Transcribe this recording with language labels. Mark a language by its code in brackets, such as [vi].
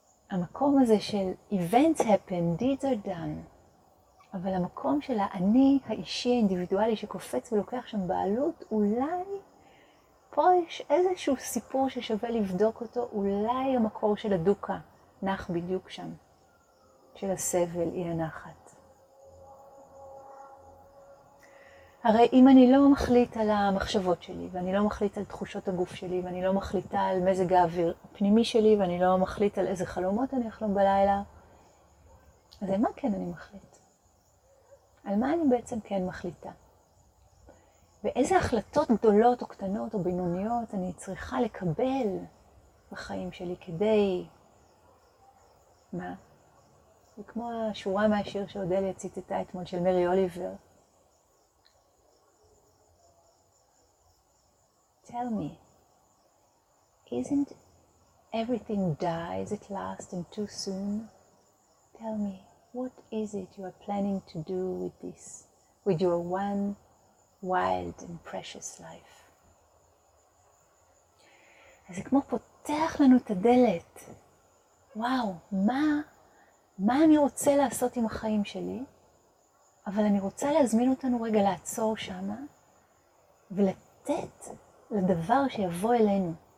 [he] המקום הזה של [en] events happen, deeds are done. [he] אבל המקום של האני האישי האינדיבידואלי שקופץ ולוקח שם בעלות, אולי פה יש איזשהו סיפור ששווה לבדוק אותו, אולי המקור של הדוקה נח בדיוק שם, של הסבל, אי הנחת. הרי אם אני לא מחליט על המחשבות שלי, ואני לא מחליט על תחושות הגוף שלי, ואני לא מחליטה על מזג האוויר הפנימי שלי, ואני לא מחליט על איזה חלומות אני אחלום בלילה, אז מה כן אני מחליט? על מה אני בעצם כן מחליטה? ואיזה החלטות גדולות או קטנות או בינוניות אני צריכה לקבל בחיים שלי כדי... מה? זה כמו השורה מהשיר שאודליה ציטטה אתמול של מרי אוליבר. [en] Tell me, isn't everything dies at last and too soon? Tell me, what is it you are planning to do with this, with your one wild and precious life? [he] אז זה כמו פותח לנו את הדלת. וואו, מה אני רוצה לעשות עם החיים שלי? אבל אני רוצה להזמין אותנו רגע לעצור שמה ולתת לדבר שיבוא אלינו.